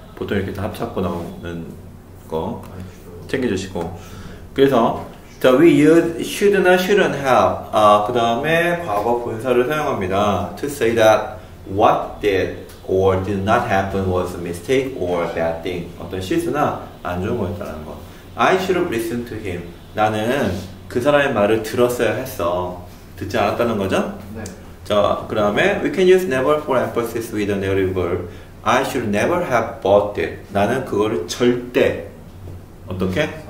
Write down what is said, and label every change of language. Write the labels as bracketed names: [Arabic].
[Korean] 보통 이렇게 다 합쳐서 나오는 거 챙겨주시고. 그래서 자, [English] we use should 나 shouldn't have. [Korean] 그 다음에 과거 분사를 사용합니다. [English] To say that what did or did not happen was a mistake or a bad thing. [Korean] 어떤 실수나 안 좋은 거였다는 거. [English] I should have listened to him. [Korean] 나는 그 사람의 말을 들었어야 했어. 듣지 않았다는 거죠? 네. 자, 그 다음에 [English] we can use never for emphasis with a negative verb. I should never have bought it. [Korean] 나는 그거를 절대 어떻게?